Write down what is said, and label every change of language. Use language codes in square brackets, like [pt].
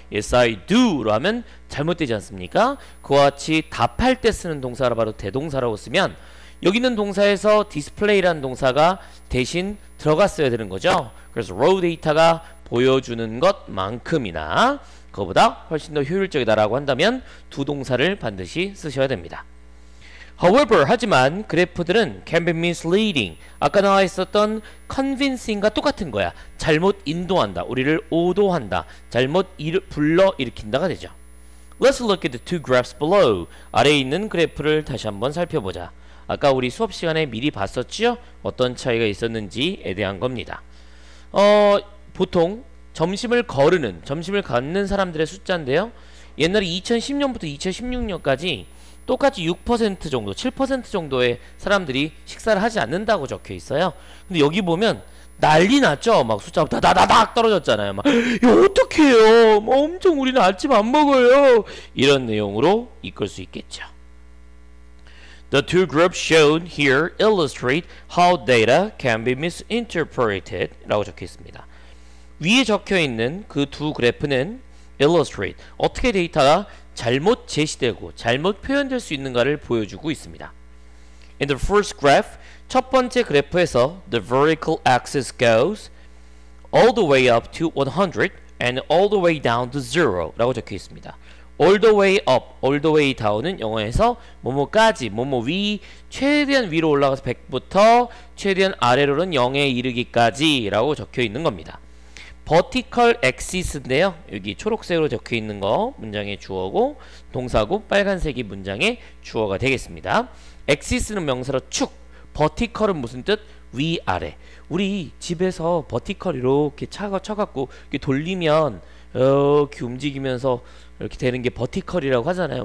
[en] Yes, I do [ko] 로 하면 잘못되지 않습니까? 그와 같이 답할 때 쓰는 동사가 바로 대동사라고 쓰면 여기 있는 동사에서 display라는 동사가 대신 들어갔어야 되는 거죠. 그래서 raw data가 보여주는 것만큼이나 그거보다 훨씬 더 효율적이다라고 한다면 두 동사를 반드시 쓰셔야 됩니다. [en] However, [ko] 하지만 그래프들은 [en] can be misleading. [ko] 아까 나와 있었던 convincing과 똑같은 거야. 잘못 인도한다. 우리를 오도한다. 잘못 불러일으킨다가 되죠. [en] Let's look at the two graphs below. [ko] 아래에 있는 그래프를 다시 한번 살펴보자. 아까 우리 수업 시간에 미리 봤었지요? 어떤 차이가 있었는지에 대한 겁니다. 보통 점심을 갖는 사람들의 숫자인데요. 옛날에 2010년부터 2016년까지 똑같이 6% 정도, 7% 정도의 사람들이 식사를 하지 않는다고 적혀 있어요. 근데 여기 보면 난리 났죠? 막 숫자가 다다다닥 떨어졌잖아요. 막, 이거 어떡해요? 뭐 엄청 우리는 아침 안 먹어요. 이런 내용으로 이끌 수 있겠죠. [en] The two groups shown here illustrate how data can be misinterpreted [ko] 라고 적혀 있습니다. 위에 적혀 있는 그 두 그래프는 illustrate, 어떻게 데이터가 잘못 제시되고 잘못 표현될 수 있는가를 보여주고 있습니다. [en] In the first graph, [ko] 첫 번째 그래프에서 [en] the vertical axis goes all the way up to 100 and all the way down to 0 [ko] 라고 적혀 있습니다. [en] All the way up, all the way down [ko] 은 영어에서 뭐뭐까지, 뭐뭐 위, 최대한 위로 올라가서 100부터 최대한 아래로는 0에 이르기까지 라고 적혀 있는 겁니다. Vertical axis인데요. 여기 초록색으로 적혀 있는 거 문장의 주어고 동사고 빨간색이 문장의 주어가 되겠습니다. axis는 명사로 축, vertical은 무슨 뜻? 위아래. 우리 집에서 vertical 이렇게 쳐갖고 이렇게 돌리면 이렇게 움직이면서 이렇게 되는 게 vertical이라고 하잖아요.